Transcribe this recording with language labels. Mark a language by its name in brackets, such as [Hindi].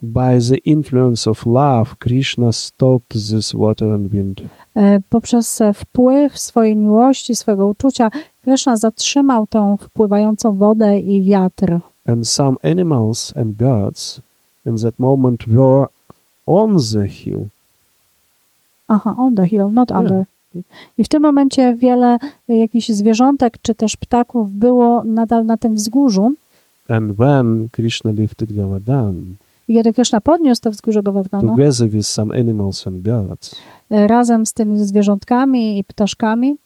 [English] By the influence of love, Krishna stopped this water and wind. [Polish] Poprzez wpływ swojej miłości, swojego uczucia, Krishna zatrzymał tą wpływającą wodę i wiatr. [English] And some animals and birds in that moment were on the hill. Aha, on the hill, not under. [Polish] I w tym momencie wiele jakichś zwierzątek czy też ptaków było nadal na tym wzgórzu. [English] And when Krishna lifted Govardhan, [Polish] i kiedy Krishna podniósł to wzgórze Govardhana, [English] together with some animals and birds, [Polish] razem z tymi zwierzątkami i ptaszkami,